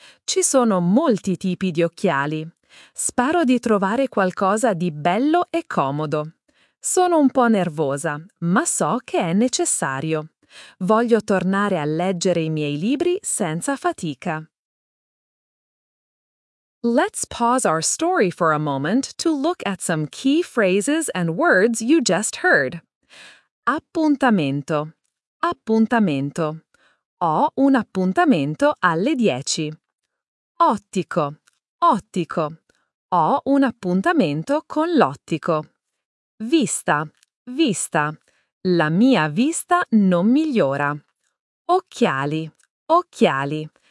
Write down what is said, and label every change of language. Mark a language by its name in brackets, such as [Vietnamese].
[Italian] Ci sono molti tipi di occhiali. Spero di trovare qualcosa di bello e comodo. Sono un po' nervosa, ma so che è necessario. Voglio tornare a leggere i miei libri senza fatica. [English] Let's pause our story for a moment to look at some key phrases and words you just heard. [Italian] Appuntamento. Appuntamento. Ho un appuntamento alle 10. Ottico. Ottico. Ho un appuntamento con l'ottico. Vista, vista. La mia vista non migliora. Occhiali, occhiali.